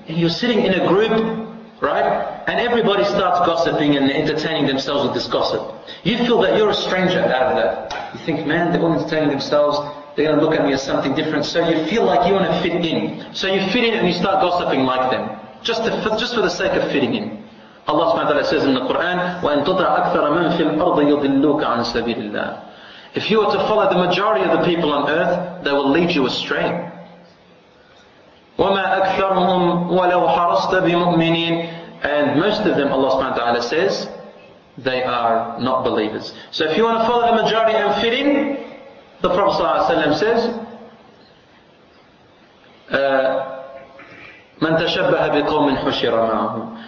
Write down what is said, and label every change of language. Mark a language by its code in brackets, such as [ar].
[en] You're sitting in a group, right, and everybody starts gossiping and entertaining themselves with this gossip. You feel that you're a stranger out of that. You think, man, they're all entertaining themselves, They're going to look at me as something different. So you feel like you want to fit in. So you fit in and you start gossiping like them. Just for the sake of fitting in. Allah subhanahu wa ta'ala says in the Quran, [ar] وَإِنْ تُطَعْ أَكْثَرَ مَنْ فِي الْأَرْضِ يُضِلُّكَ عَنْ سَبِيلِ اللَّهِ. [en] If you were to follow the majority of the people on earth, they will lead you astray. [ar] وَمَا أَكْثَرُهُمْ وَلَوْ حَرَصْتَ بِمُؤْمِنِينَ. [en] And most of them, Allah subhanahu wa ta'ala says, they are not believers. So if you want to follow the majority and fit in, the Prophet sallallahu alaihi wasallam says, [ar] مَنْ تَشَبَّهَ بِقَوْمٍ حُشِرَ مَعَهُمْ.